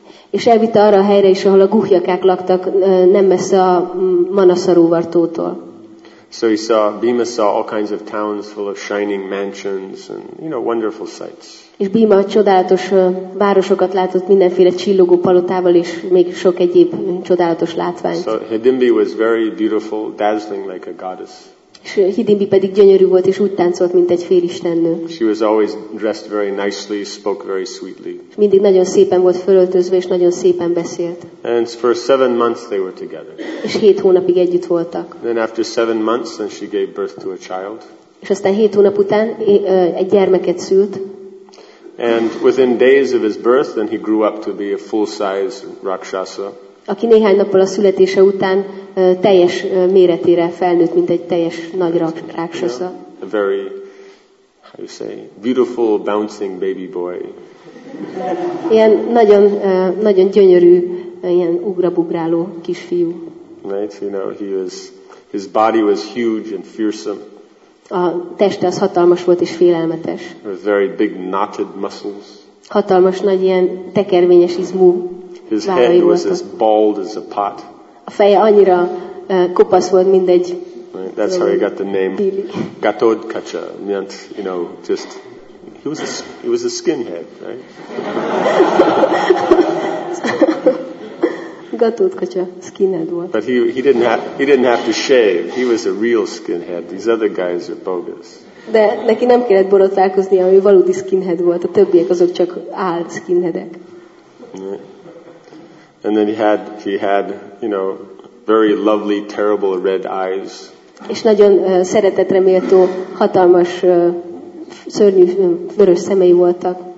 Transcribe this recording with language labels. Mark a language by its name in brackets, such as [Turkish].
[Hungarian] És elvitte arra a helyre is, ahol a Guhyakák laktak, nem messze a Manasarova tótól. [English] So Bhima saw all kinds of towns full of shining mansions and, wonderful sights. [Hungarian] És Bhima csodálatos városokat látott mindenféle csillogó palotával és még sok egyéb csodálatos látványt. [English] So Hidimbi was very beautiful, dazzling like a goddess. [Hungarian] És Hidimbi pedig gyönyörű volt és úgy táncolt, mint egy félistennő. [English] She was always dressed very nicely, spoke very sweetly. [Hungarian] És mindig nagyon szépen volt fölöltözve és nagyon szépen beszélt. [English] And for 7 months they were together. [Hungarian] És 7 hónapig együtt voltak. [English] Then after 7 months, then she gave birth to a child. [Hungarian] És aztán 7 hónap után egy gyermeket szült. [English] And within days of his birth, then he grew up to be a full-size rakshasa. [Hungarian] Aki néhány nappal a születése után teljes méretére felnőtt, mint egy teljes nagy rakshasa. [English] Yeah, a very, how you say, beautiful, bouncing baby boy. [Hungarian] Ilyen nagyon, nagyon gyönyörű, ilyen ugrabugráló kisfiú. [English] Right, you know, he was, his body was huge and fearsome. [Hungarian] A teste az hatalmas volt és félelmetes. [English] With very big knotted muscles. [Hungarian] Hatalmas nagy ilyen tekervényes izmú. [English] His head was as bald as a pot. [Hungarian] A feje annyira kopasz volt, mint egy. [English] Right, that's how he got the name Ghatotkacha. Meant, you know, just he was a skinhead, right? [Hungarian] Ghatotkacha, skinhead volt. [English] But he didn't have to shave. He was a real skinhead. These other guys are bogus. [Hungarian] De neki nem kellett borotválkozni, ami valódi skinhead volt. A többiek azok csak állt skinheadek. [English] And then he had, you know, very lovely, terrible red eyes. [Hungarian] És nagyon szeretetreméltó, hatalmas, szörnyű, vörös szemei voltak.